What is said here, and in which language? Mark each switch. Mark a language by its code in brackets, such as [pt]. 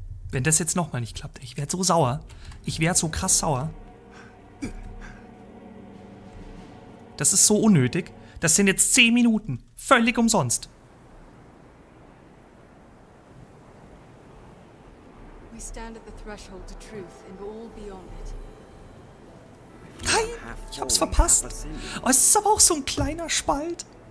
[de] Wenn das jetzt nochmal nicht klappt, ich werde so sauer. Ich werde so krass sauer. Das ist so unnötig. Das sind jetzt 10 Minuten. Völlig umsonst. [en] stand at the threshold to truth and all beyond it. [de] Nein, ich hab's verpasst. Oh, es ist aber auch so ein kleiner Spalt.